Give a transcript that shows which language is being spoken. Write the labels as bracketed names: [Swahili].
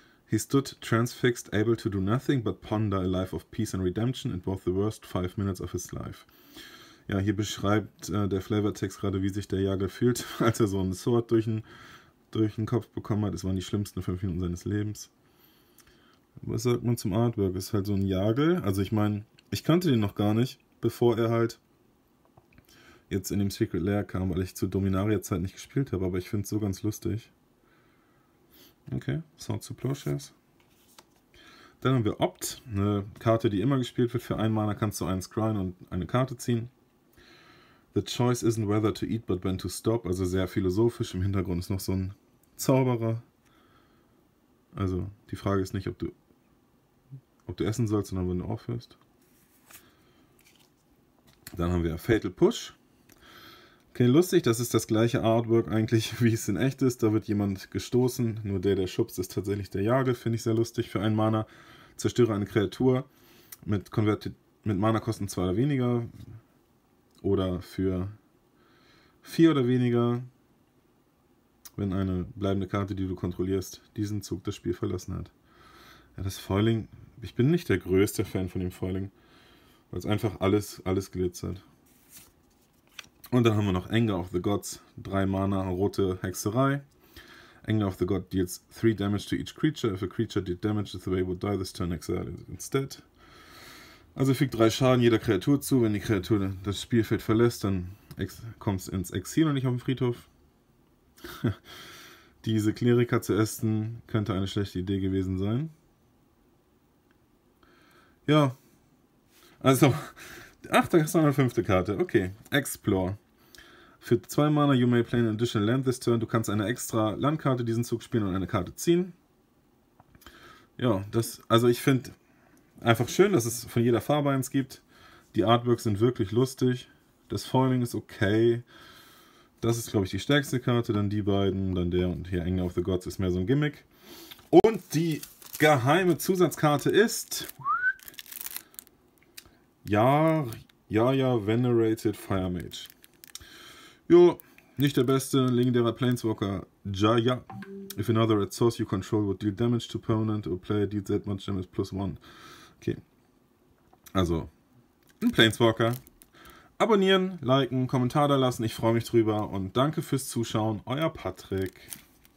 [English] He stood transfixed, able to do nothing but ponder a life of peace and redemption in both the worst 5 minutes of his life. [German] Ja, hier beschreibt der Flavortext gerade, wie sich der Yagle fühlt, als er so ein Sword durch den Kopf bekommen hat. Es waren die schlimmsten 5 Minuten seines Lebens. Was sagt man zum Artwork? Ist halt so ein Yagle. Also ich meine, ich kannte den noch gar nicht, bevor er halt jetzt in dem Secret Lair kam, weil ich zur Dominaria-Zeit nicht gespielt habe. Aber ich finde es so ganz lustig. Okay, Sword to Plowshares. Dann haben wir Opt. Eine Karte, die immer gespielt wird. Für einen Mana kannst du einen scryen und eine Karte ziehen. [English] The choice isn't whether to eat, but when to stop. [German] Also sehr philosophisch. Im Hintergrund ist noch so ein Zauberer. Also die Frage ist nicht, ob du essen sollst, sondern wenn du aufhörst. Dann haben wir Fatal Push. Okay, lustig, das ist das gleiche Artwork eigentlich, wie es in echt ist. Da wird jemand gestoßen. Nur der schubst, ist tatsächlich der Yagle. Finde ich sehr lustig. Für einen Mana zerstöre eine Kreatur mit Mana-Kosten 2 oder weniger. Oder für 4 oder weniger, wenn eine bleibende Karte, die du kontrollierst, diesen Zug das Spiel verlassen hat. Ja, das Foiling, ich bin nicht der größte Fan von dem Foiling, weil es einfach alles glitzert. Und dann haben wir noch Anger of the Gods, 3 Mana, rote Hexerei. [English] Anger of the God deals 3 damage to each creature. If a creature did damage, the way would die this turn, exile instead. [German] Also fügt 3 Schaden jeder Kreatur zu. Wenn die Kreatur das Spielfeld verlässt, dann kommst du ins Exil und nicht auf den Friedhof. Diese Kleriker zu essen, könnte eine schlechte Idee gewesen sein. Ja. Also, ach, da ist noch eine 5. Karte. Okay, Explore. Für 2 Mana, [English] you may play an additional land this turn. [German] Du kannst eine extra Landkarte diesen Zug spielen und eine Karte ziehen. Ja, das, also ich finde... Einfach schön, dass es von jeder Farbe eins gibt. Die Artworks sind wirklich lustig. Das Foiling ist okay. Das ist, glaube ich, die stärkste Karte. Dann die beiden, dann der und hier Anger of the Gods ist mehr so ein Gimmick. Und die geheime Zusatzkarte ist... Ja, Venerated Fire Mage. Jo, nicht der beste legendärer Planeswalker. Jaya. [English] If another red source you control would deal damage to opponent or player deals that much damage +1. [German] Okay, also ein Planeswalker. Abonnieren, liken, Kommentar da lassen. Ich freue mich drüber und danke fürs Zuschauen. Euer Patrick.